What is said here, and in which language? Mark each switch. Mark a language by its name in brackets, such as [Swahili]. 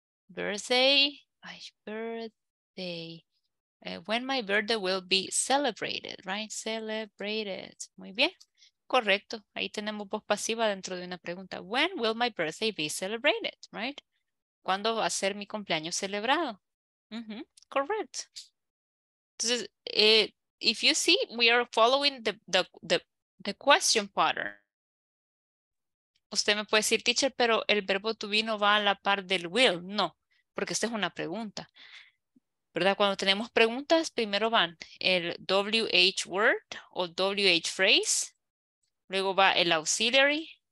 [English] My birthday, when my birthday will be celebrated, right? [Spanish] Celebrated. Muy bien. Correcto. Ahí tenemos voz pasiva dentro de una pregunta. [English] When will my birthday be celebrated, right? [Spanish] ¿Cuándo va a ser mi cumpleaños celebrado? [English] Mm-hmm. Correct. Entonces, if you see, we are following the question pattern. [Spanish] Usted me puede decir, teacher, pero el verbo to be no va a la par del will. No. Porque esta es una pregunta, ¿verdad? Cuando tenemos preguntas, primero van el WH word o WH phrase. Luego va el auxiliary.